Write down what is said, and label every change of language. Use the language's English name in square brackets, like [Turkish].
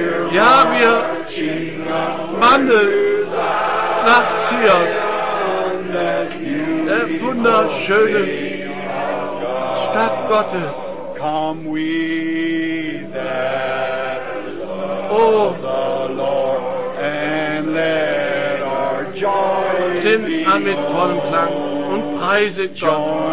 [German] Ja, wir wandeln nach Zion, der wunderschönen Stadt Gottes. [English] Come we that love the Lord and let our joy be. [German] Stimm an mit vollem Klang und preise Gott.